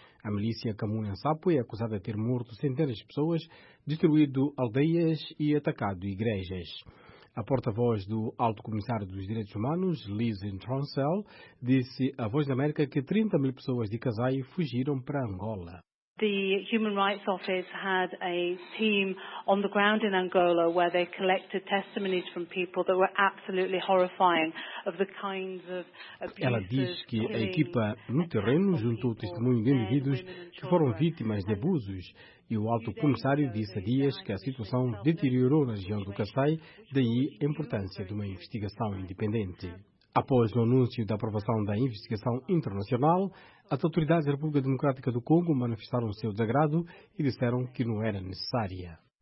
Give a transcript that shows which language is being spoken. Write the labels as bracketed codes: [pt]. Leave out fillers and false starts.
[pt] A milícia Kamuinansapo é acusada de ter morto centenas de pessoas, destruído aldeias e atacado igrejas. A porta-voz do Alto Comissário dos Direitos Humanos, Liz Ntronsel, disse à Voz da América que 30 mil pessoas de Kasai fugiram para Angola. [en] The Human Rights Office had a team on the ground in Angola where they collected testimonies from people that were absolutely horrifying of the kinds of abuses. [pt] Ela diz que a equipa no terreno juntou testemunho de indivíduos que foram vítimas de abusos e o alto comissário disse há dias que a situação deteriorou na região do Kasai, daí a importância de uma investigação independente. Após o anúncio da aprovação da investigação internacional, as autoridades da República Democrática do Congo manifestaram o seu desagrado e disseram que não era necessária.